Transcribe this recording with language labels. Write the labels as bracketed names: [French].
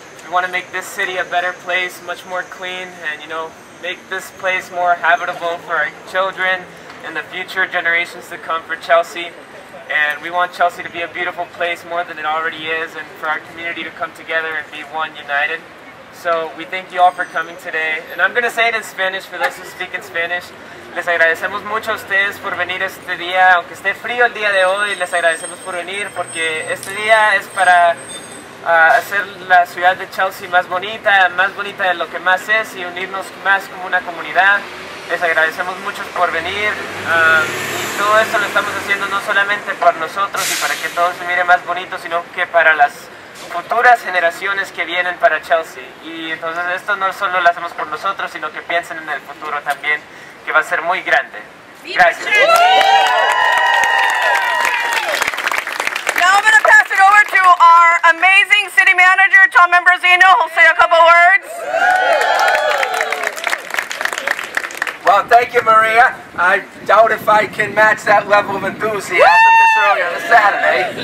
[English] We want to make this city a better place, much more clean, and, you know, make this place more habitable for our children and the future generations to come for Chelsea. And we want Chelsea to be a beautiful place more than it already is, and for our community to come together and be one, united. So we thank you all for coming today. And I'm going to say it in Spanish for those who speak in Spanish. [Spanish] Les agradecemos mucho a ustedes por venir este día, aunque esté frío el día de hoy, les agradecemos por venir, porque este día es para hacer la ciudad de Chelsea más bonita de lo que más es, y unirnos más como una comunidad. Les agradecemos mucho por venir, y todo esto lo estamos haciendo no solamente por nosotros y para que todo se mire más bonito, sino que para las futuras generaciones que vienen para Chelsea. Y entonces esto no solo lo hacemos por nosotros, sino que piensen en el futuro también, que va a ser muy grande. Gracias. [English] Now I'm going to pass it over to our amazing city manager, Tom Embrozino, who'll say a couple words. Well, thank you, Maria. I doubt if I can match that level of enthusiasm this early on a Saturday.